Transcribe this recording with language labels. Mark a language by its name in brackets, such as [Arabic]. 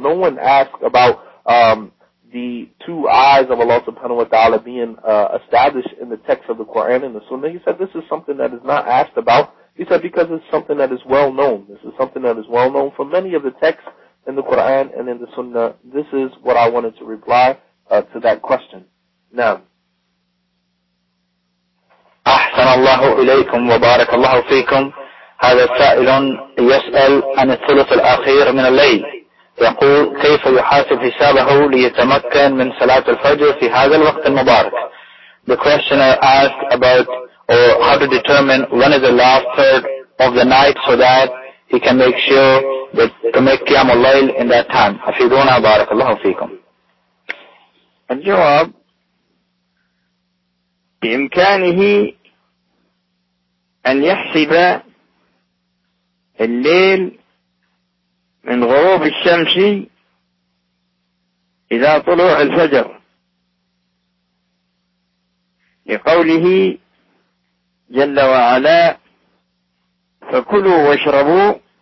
[English] No one asks about the two eyes of Allah subhanahu wa ta'ala being established in the text of the Quran and the Sunnah. He said this is something that is not asked about. He said because it's something that is well known. This is something that is well known for many of the texts in the Quran and in the Sunnah. This is what I wanted to reply to that question. Now, [Arabic] أحسن الله إليكم وبارك الله فيكم. هذا سائل يسأل عن الثلث الأخير من الليل, يقول كيف يحاسب حسابه ليتمكن من صلاة الفجر في هذا الوقت المبارك. [English] The questioner asked about how to determine when is the last third of the night so that he can make sure that to make [Arabic] قيام الليل [English] in that time. [Arabic] أفيدونا بارك الله فيكم. الجواب بإمكانه أن يحسب الليل من غروب الشمس إلى طلوع الفجر لقوله جل وعلا فكلوا واشربوا